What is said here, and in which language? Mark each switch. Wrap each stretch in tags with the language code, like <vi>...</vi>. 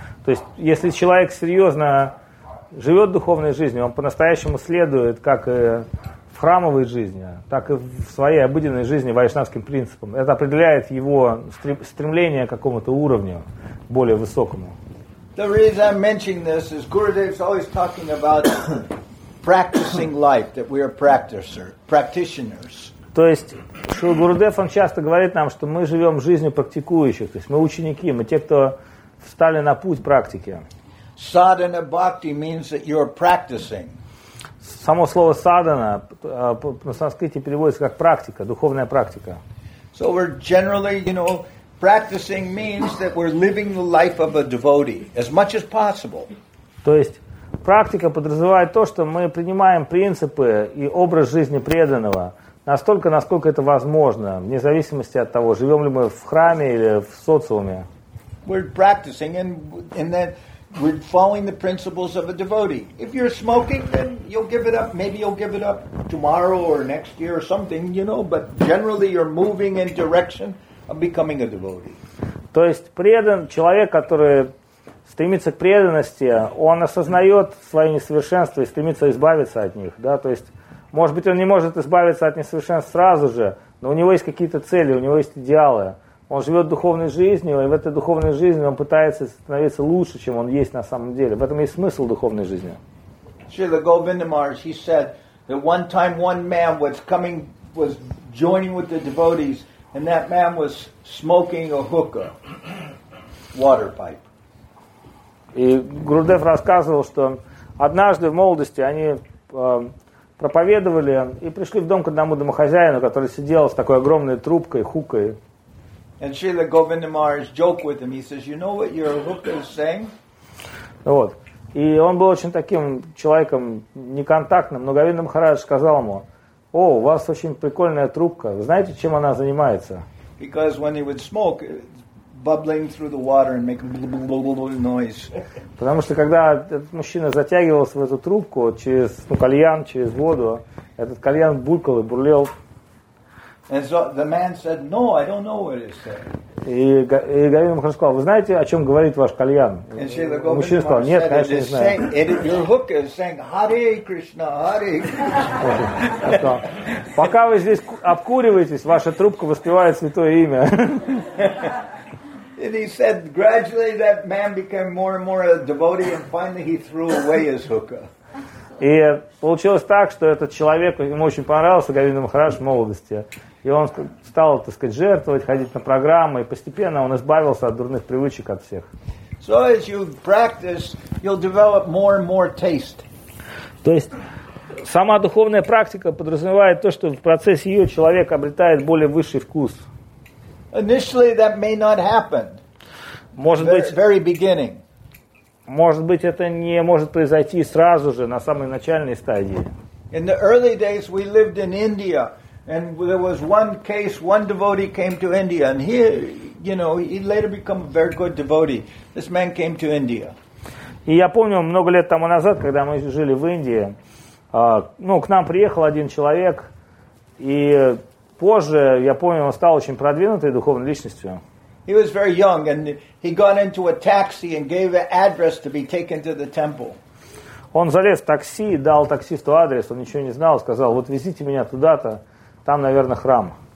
<ru>То есть, если человек серьезно живет духовной жизнью, он по-настоящему следует как в храмовой жизни, так и в своей обыденной жизни вайшнавским принципам. Это определяет его стремление к какому-то уровню более высокому.</ru> <en>The reason I'm mentioning this is Gurudev is always talking about practicing life, that we are practitioners.</en> <ru>То есть Шри Гурудев, он часто говорит нам, что мы живем жизнью практикующих, то есть мы ученики, мы те, кто встали на путь практики.</ru> <en>Sadhana bhakti means that you are practicing.</en> <ru>Само слово садхана на санскрите переводится как практика, духовная практика.</ru> <en>So we're generally, you know, practicing means that we're living the life of a devotee as much as possible.</en> <ru>То есть практика подразумевает то, что мы принимаем принципы и образ жизни преданного настолько, насколько это возможно, вне зависимости от того, живем ли мы в храме или в социуме.</ru> <en>We're practicing and then we're following the principles of a devotee. If you're smoking, then you'll give it up. Maybe you'll give it up tomorrow or next year or something, you know, but generally you're moving in direction of becoming a devotee.</en> <ru>То есть предан человек, который стремится к преданности, он осознает свои несовершенства и стремится избавиться от них. Да? То есть, может быть, он не может избавиться от несовершенств сразу же, но у него есть какие-то цели, у него есть идеалы. Он живет духовной жизнью, и в этой духовной жизни он пытается становиться лучше, чем он есть на самом деле. В этом есть смысл духовной жизни.</ru> <en>Srila Govinda Maharaj, he said that one time one man was coming, was joining with the devotees, and that man was smoking a hookah, water pipe.</en> <ru>И Гурудев рассказывал, что однажды в молодости они проповедовали и пришли в дом к одному домохозяину, который сидел с такой огромной трубкой, хукой.</ru> <en>And Srila Govinda Maharaj joked with him. He says, "You know what your hookah is saying?"</en> <ru>Вот. И он был очень таким человеком неконтактным, но Говинда Махарадж сказал ему: "О, у вас очень прикольная трубка. Вы знаете, чем она занимается?"</ru> <en>Because when he would smoke, bubbling through the water and making noise.</en> <ru>Потому что когда этот мужчина затягивался в эту трубку через, ну, кальян, через воду, этот кальян булькал и бурлил.</ru> <en>And so the man said, "No, I don't know what it's saying."</en> <ru>И Гавин Махарадж сказал: "Вы знаете, о чем говорит ваш кальян?" Мужчина сказал: "Нет, конечно, не знаю."</ru> <en>Your hook is saying, "Hare Krishna, Hare Krishna."</en> <ru>Пока вы здесь обкуриваетесь, ваша трубка воспевает святое имя.</ru> <en>And he said, gradually that man became more and more a devotee, and finally he threw away his hookah.</en> <ru>И получилось так, что этот человек, ему очень понравился Говинда Махарадж в молодости, и он стал, так сказать, жертвовать, ходить на программы, и постепенно он избавился от дурных привычек от всех.</ru> <en>So as you practice, you'll develop more and more taste.</en> <ru>То есть сама духовная практика подразумевает то, что в процессе ее человек обретает более высший вкус.</ru> <en>Initially, that may not happen.</en> <ru>Может быть,</ru> <en>very beginning.</en> <ru>Может быть, это не может произойти сразу же на самой начальной стадии.</ru> <en>In the early days, we lived in India, and there was one case. One devotee came to India, and he, you know, he later became a very good devotee. This man came to India.</en> <ru>И я помню, много лет тому назад, когда мы жили в Индии, ну, к нам приехал один человек, и позже, я помню, он стал очень продвинутой духовной личностью.</ru> <en>He was very young, and he got into a taxi and gave an address to be taken to the temple.</en> <ru>Он залез в такси, дал таксисту адрес, он ничего не знал, сказал: "Вот везите меня туда-то, там, наверное, храм."</ru>